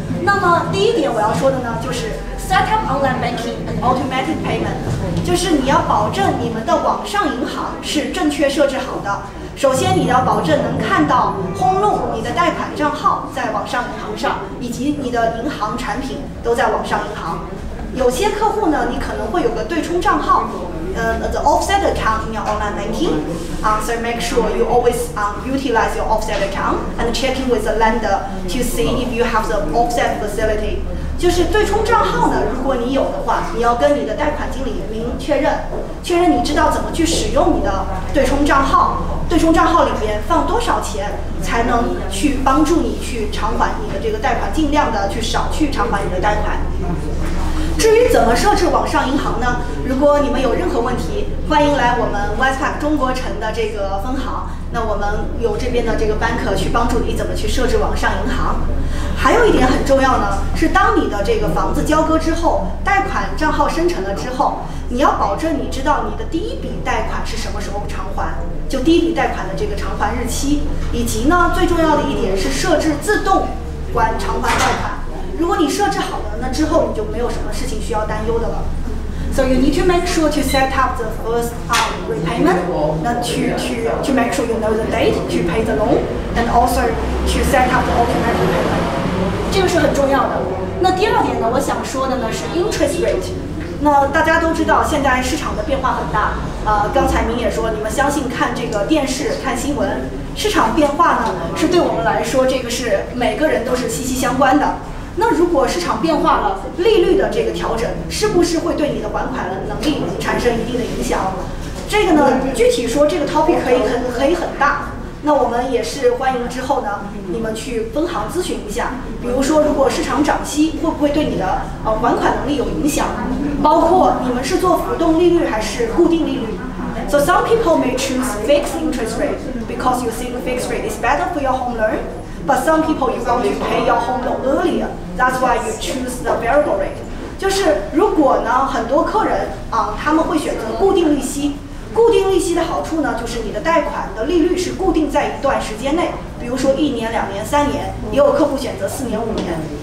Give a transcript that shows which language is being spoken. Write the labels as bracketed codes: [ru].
[zh] 那么第一点我要说的呢，就是 [en] set up online banking and automatic payment， [zh] 就是你要保证你们的网上银行是正确设置好的。首先你要保证能看到 home loan 你的贷款账号在网上银行上，以及你的银行产品都在网上银行。有些客户呢，你可能会有个对冲账号， [en] the offset account in your online banking. So make sure you always utilize your offset account and check in with the lender to see if you have the offset facility. [zh] 就是对冲账号呢，如果你有的话，你要跟你的贷款经理您确认你知道怎么去使用你的对冲账号，对冲账号里面放多少钱才能去帮助你去偿还你的这个贷款，尽量的去少去偿还你的贷款。至于怎么设置网上银行呢，如果你们有任何问题，欢迎来我们 Westpac 中国城的这个分行，那我们有这边的这个 banker 去帮助你怎么去设置网上银行。还有一点很重要呢，是当你的这个房子交割之后，贷款账号生成了之后，你要保证你知道你的第一笔贷款是什么时候偿还，就第一笔贷款的这个偿还日期，以及呢最重要的一点是设置自动管偿还贷款。如果你设置好了，那之后你就没有什么事情需要担忧的了。 [en] So you need to make sure to set up the first repayment, to make sure you know the date to pay the loan, and also to set up the automatic repayment. [zh] 这个是很重要的。那第二点呢，我想说的呢是 interest rate。那大家都知道，现在市场的变化很大。刚才明也说，你们相信看这个电视、看新闻，市场变化呢是对我们来说，这个是每个人都是息息相关的。那如果市场变化了，利率的这个调整是不是会对你的还款能力产生一定的影响？这个呢，具体说这个 topic 可以很大。那我们也是欢迎之后呢，你们去分行咨询一下。比如说，如果市场涨息，会不会对你的还款能力有影响？包括你们是做浮动利率还是固定利率？ [en] So some people may choose fixed interest rate because you think fixed rate is better for your home loan. But some people you want to pay your home loan earlier. That's why you choose the variable rate. [zh] 就是如果呢，很多客人啊，他们会选择固定利息。固定利息的好处呢，就是你的贷款的利率是固定在一段时间内，比如说一年、两年、三年，也有客户选择四年、五年。